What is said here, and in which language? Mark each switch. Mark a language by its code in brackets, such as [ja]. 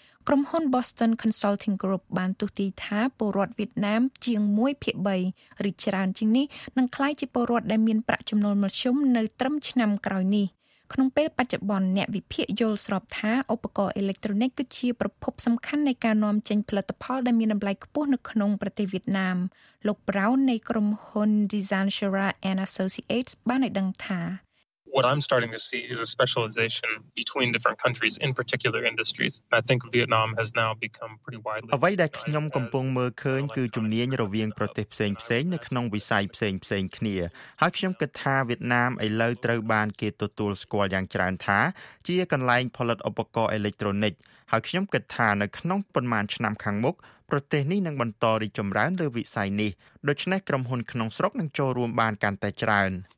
[km] ក្រុមហ៊ុន Boston Consulting Group បានទស្សន៍ទាយថាពលរដ្ឋវៀតណាមជាង1/3ឬច្រើនជាងនេះនឹងក្លាយជាពលរដ្ឋដែលមានប្រាក់ចំណូលមធ្យមនៅត្រឹមឆ្នាំក្រោយនេះក្នុងពេលបច្ចុប្បន្នអ្នកវិភាគយល់ស្របថាឧបករណ៍អេឡិចត្រូនិកគឺជាប្រភពសំខាន់នៃការនាំចេញផលិតផលដែលមានតម្លៃខ្ពស់នៅក្នុងប្រទេសវៀតណាមលោក Brown នៃក្រុមហ៊ុន Design Shira and Associates បានឲ្យដឹងថា [en] What I'm starting to see is a specialization between different countries in particular industries. I think Vietnam has now become pretty widely recognized. [km] អ្វីដែលខ្ញុំកំពុងមើលឃើញគឺជំនាញរវាងប្រទេសផ្សេងផ្សេងនៅក្នុងវិស័យផ្សេងផ្សេងគ្នាហើយខ្ញុំគិតថាវៀតណាមឥឡូវត្រូវបានគេទទួលស្គាល់យ៉ាងច្រើនថាជាកន្លែងផលិតឧបករណ៍អេឡិចត្រូនិកហើយខ្ញុំគិតថានៅក្នុងប៉ុន្មានឆ្នាំខាងមុខប្រទេសនេះនឹងបន្តរីកចម្រើនលើវិស័យនេះដូច្នេះក្រុមហ៊ុនក្នុងស្រុកនឹងចូលរួមបានកាន់តែច្រើន